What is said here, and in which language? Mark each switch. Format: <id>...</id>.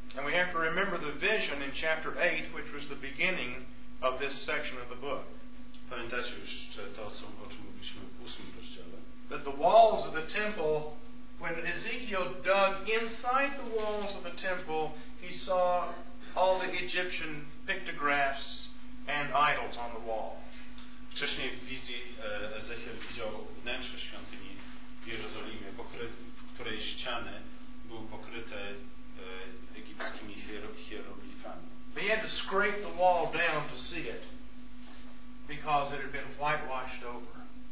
<en>And we have to remember the vision in chapter 8, which was the beginning of this section of the book.</en> <pl>Pamiętacie już, że to, o czym mówiliśmy w 8 rozdziale?</pl> <en>That the walls of the temple, when Ezekiel dug inside the walls of the temple, he saw all the Egyptian pictographs and idols on the wall.</en> <pl>Wcześniej w wizji Ezechiel widział wnętrze świątyni w Jerozolimie, w której ściany były pokryte egipskimi hieroglifami.</pl> <en>He had to scrape the wall down to see it, because it had been whitewashed over.</en>